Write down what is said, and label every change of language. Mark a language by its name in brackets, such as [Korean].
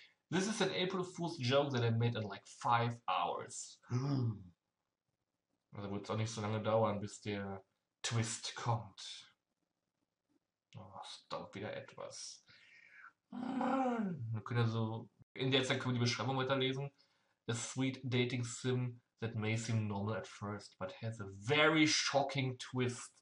[English] This is an April Fool's joke that I made in like 5 hours. [German] Also wird es auch nicht so lange dauern, bis der Twist kommt. Oh, es dauert wieder etwas. Wir können also in der Zeit können wir die Beschreibung weiterlesen. [English] A sweet dating sim that may seem normal at first, but has a very shocking twist.